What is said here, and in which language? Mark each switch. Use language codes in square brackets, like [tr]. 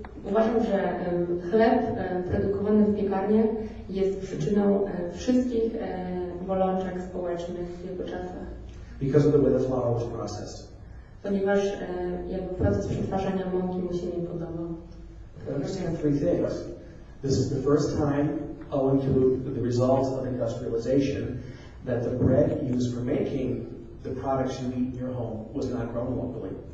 [pl] Uważam, że chleb produkowany w piekarni jest przyczyną wszystkich bolączek społecznych w jego czasach. [en] Because of the way the flour was processed. [pl] Ponieważ jakby proces przetwarzania mąki mu się nie podobał. [en] Understand three things. This is the first time, owing to the results of industrialization, that the bread used for making the products you eat in your home was not grown locally.